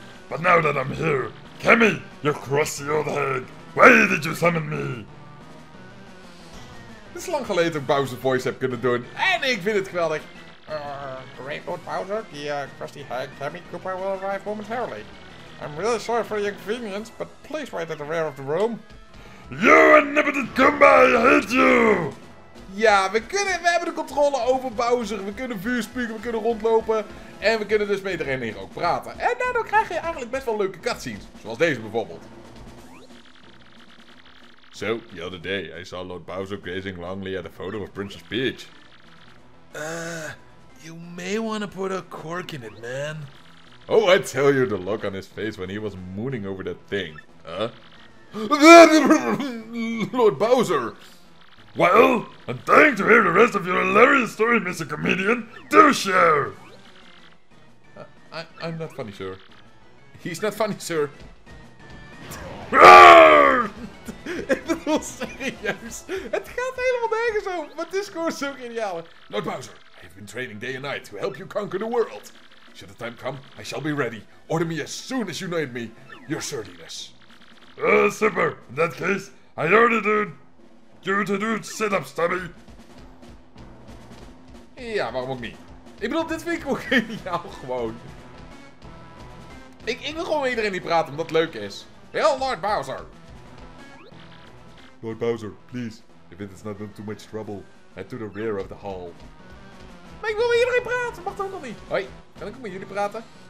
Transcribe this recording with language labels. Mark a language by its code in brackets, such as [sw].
[en] But now that I'm here, Kemi, you crusty old hag, why did you summon me? [nl] Het is lang geleden dat ik Bowser voice heb kunnen doen en ik vind het geweldig. [en] Great Lord Bowser, the crusty hag Kemi Koopa will arrive momentarily. I'm really sorry for the inconvenience, but please wait at the rear of the room. You inhibited Goomba, I hate you! [nl] Ja, we hebben de controle over Bowser. We kunnen vuur spugen, we kunnen rondlopen. En we kunnen dus met iedereen ook praten. En daardoor krijg je eigenlijk best wel leuke cutscenes. Zoals deze bijvoorbeeld. [en] So, the other day, I saw Lord Bowser gazing longly at a photo of Princess Peach. You may want to put a cork in it, man. Oh, I tell you the look on his face when he was mooning over that thing, huh? Lord Bowser! Well, I'm dying to hear the rest of your hilarious story, Mr. Comedian! Do share! I'm not funny, sir. He's not funny, sir. Roar! [nl] Serieus? Het gaat helemaal nergens over, maar dit is gewoon zo geniaal. [en] Lord Bowser, I have been training day and night to help you conquer the world. Should the time come, I shall be ready. Order me as soon as you need me. Your surliness. [nl] Super. [en] In that case, I ordered you to do sit-ups, Tommy. [nl] Ja, waarom ook niet? Ik bedoel, dit vind ik ook geniaal gewoon. Ik wil gewoon met iedereen die praat, omdat het leuk is. Heel Lord Bowser. [en] Lord Bowser, please. If it is not in too much trouble, head to the rear of the hall. [nl] Maar ik wil met iedereen praten, mag dat ook nog niet. Hoi, kan ik ook met jullie praten?